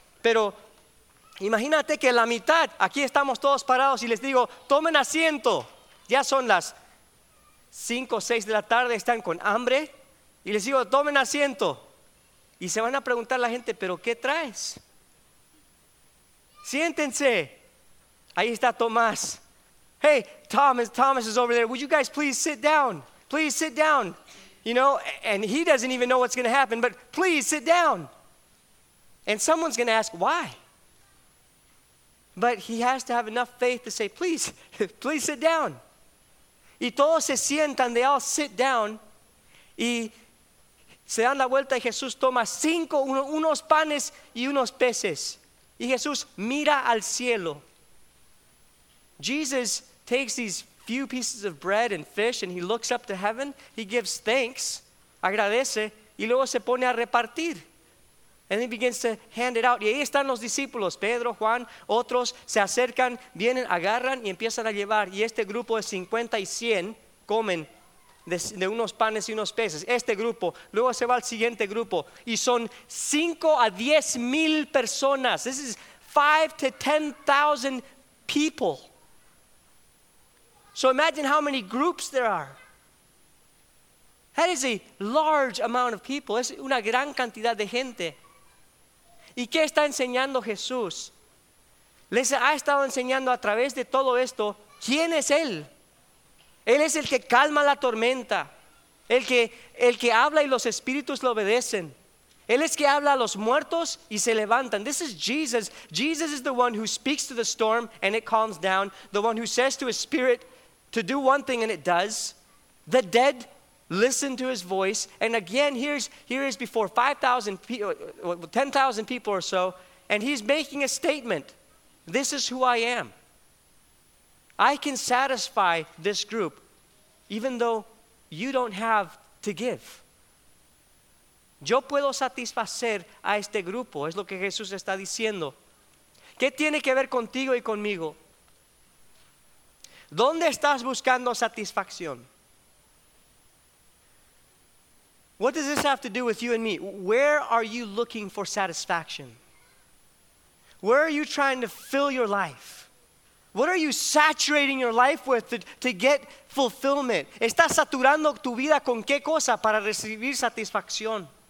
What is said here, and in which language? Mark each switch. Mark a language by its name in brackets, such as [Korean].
[Spanish] Pero imagínate que la mitad, aquí estamos todos parados y les digo, tomen asiento. Ya son las 5 o 6 de la tarde, están con hambre. Y les digo, tomen asiento. Y se van a preguntar la gente, ¿pero qué traes? Siéntense. Ahí está Tomás. [English] Hey, Thomas is over there. Would you guys please sit down? Please sit down. You know, and he doesn't even know what's going to happen, but please sit down. And someone's going to ask, why? But he has to have enough faith to say, please, please sit down. [Spanish] Y todos se sientan, [English] they all sit down. [Spanish] Y se dan la vuelta y Jesús toma unos panes y unos peces. Y Jesús mira al cielo. [English] Jesus takes these few pieces of bread and fish, and he looks up to heaven, he gives thanks, [Spanish] agradece, y luego se pone a repartir. [English] And he begins to hand it out. [Spanish] Y ahí están los discípulos, Pedro, Juan, otros, se acercan, vienen, agarran y empiezan a llevar. Y este grupo de 50 y 100 comen de unos panes y unos peces. Este grupo, luego se va al siguiente grupo y son 5 to 10,000 personas. [English] This is 5 to 10,000 people. So imagine how many groups there are. That is a large amount of people. [Spanish] Es una gran cantidad de gente. ¿Y qué está enseñando Jesús? Les ha estado enseñando a través de todo esto, ¿quién es Él? Él es el que calma la tormenta, el que habla y los espíritus le obedecen. Él es que habla a los muertos y se levantan. [English] This is Jesus. Jesus is the one who speaks to the storm and it calms down. The one who says to his spirit to do one thing and it does. The dead listen to his voice. And again, here is before 10,000 people or so, and he's making a statement. This is who I am. I can satisfy this group, even though you don't have to give. [Spanish] Yo puedo satisfacer a este grupo, es lo que Jesús está diciendo. ¿Qué tiene que ver contigo y conmigo? ¿Dónde estás buscando satisfacción? [English] What does this have to do with you and me? Where are you looking for satisfaction? Where are you trying to fill your life? What are you saturating your life with to get fulfillment? [Spanish] ¿Estás saturando tu vida con qué cosa para recibir satisfacción?